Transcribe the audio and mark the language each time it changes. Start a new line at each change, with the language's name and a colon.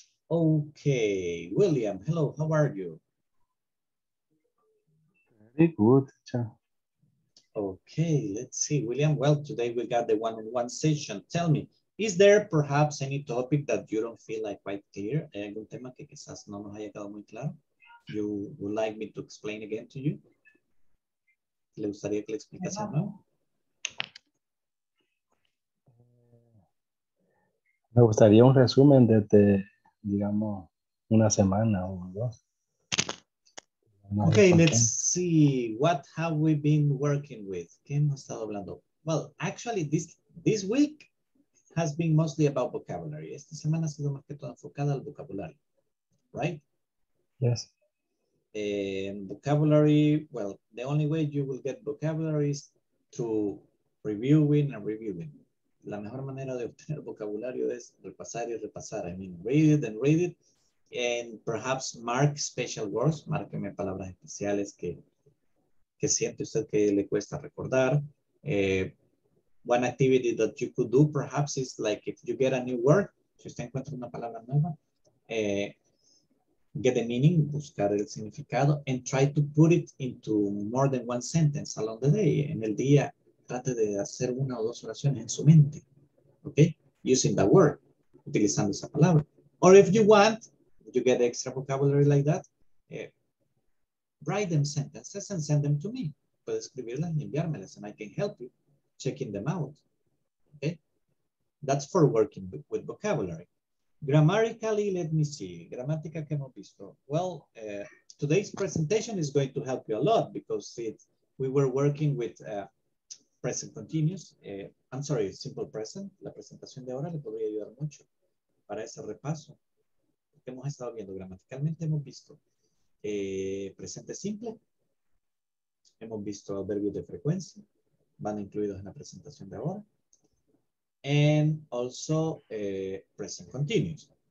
English: Okay, William, hello, how are you? Very good, teacher. Okay, let's see, William. Well, today we got the one-on-one session. Tell me, is there perhaps any topic that you don't feel like quite clear?
Spanish: ¿Hay algún tema que quizás no nos haya quedado muy claro?
English: You would like me to explain again to you?
Spanish: ¿Le gustaría que le explicase, no? Me gustaría un resumen de digamos, una semana o dos.
English: Okay, let's see. What have we been working with?
Spanish: ¿Qué hemos estado hablando?
English: Well, actually, this week has been mostly about vocabulary.
Spanish: Esta semana ha sido más que todo enfocada al vocabulario, right?
English: Yes. Vocabulary, well, the only way you will get vocabulary is through reviewing and reviewing.
Spanish: La mejor manera de obtener vocabulario es repasar y repasar.
English: I mean, read it, and perhaps mark special words.
Spanish: Márqueme palabras especiales que siente usted que le cuesta recordar.
English: One activity that you could do perhaps is like if you get a new word,
Spanish: si usted encuentra una palabra nueva,
English: get the meaning,
Spanish: buscar el significado,
English: and try to put it into more than one sentence along the day,
Spanish: en el día. Trate de hacer una o dos oraciones en su mente, okay?
English: Using that word,
Spanish: utilizando esa palabra.
English: Or if you want, you get extra vocabulary like that, write them sentences and send them to me.
Spanish: Puedes escribirlas y enviármelas,
English: and I can help you checking them out, okay? That's for working with vocabulary. Grammatically, let me see.
Spanish: Gramática que hemos visto.
English: Well, today's presentation is going to help you a lot because we were working with... present continuous, I'm sorry, simple present.
Spanish: La presentación de ahora le podría ayudar mucho para ese repaso. Hemos estado viendo gramaticalmente, hemos visto presente simple, hemos visto adverbios de frecuencia, van incluidos en la presentación de ahora,
English: and also present continuous.